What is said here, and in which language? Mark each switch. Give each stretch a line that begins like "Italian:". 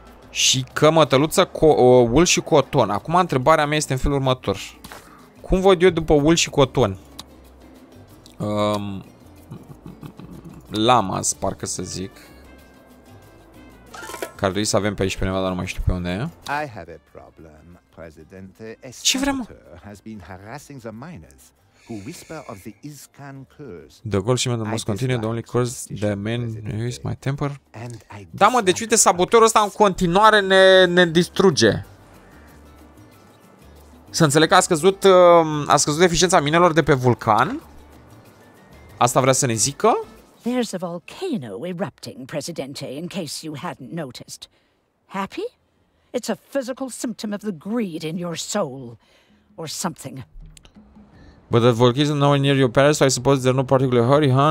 Romanian: Și că mătăluță, wool și coton. Acum întrebarea mea este în felul următor. Cum văd eu după wool și coton? Lamas, parcă să zic. Care trebuie să avem pe aici pe undeva, dar nu mai știu pe unde e.
English: I have a problem, presidente.
Romanian: Ce vrem?
English: Has been harassing the miners who whisper of the Iskan curse. The gold shipment must continue, the only curse the men is my temper.
Romanian: Da, mă, deci uite, sabotorul ăsta în continuare ne distruge. Să înțeleg că a scăzut eficiența minelor de pe vulcan. Asta vrea să ne zică?
English: There's a volcano erupting, Presidente, in case you hadn't noticed. Happy? It's a physical symptom of the greed in your soul. Or something. But the volcano is nowhere near your palace, so I suppose there's no particular hurry, huh?